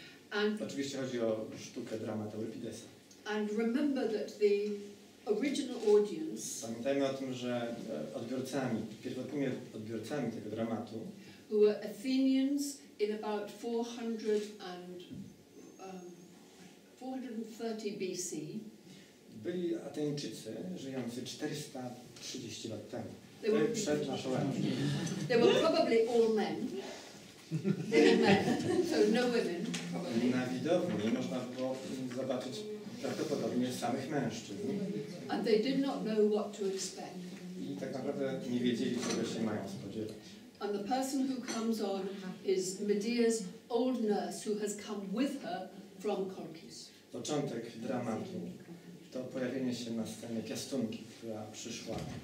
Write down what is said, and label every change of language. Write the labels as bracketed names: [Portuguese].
[Polish] And oczywiście chodzi o sztukę dramatu Euripidesa. [English] And remember that the original audience, [Polish] pamiętajmy o tym, że odbiorcami, pierwotnymi odbiorcami tego dramatu, [English] who were Athenians in about 430 BC, [Polish] byli Ateńczycy żyjący 430 lat temu. [English] They were [Polish] przed naszą erą. [English] They were probably all men. They were men, so no women. Probably. [Polish] Na widowni można było zobaczyć prawdopodobnie samych mężczyzn. [English] And they did not know what to expect. [Polish] I tak naprawdę nie wiedzieli, czego się mają spodziewać. [English] And the person who comes on is Medea's old nurse, who has come with her from Colchis. [Polish] Początek dramatu to pojawienie się na scenie piastunki, która przyszła.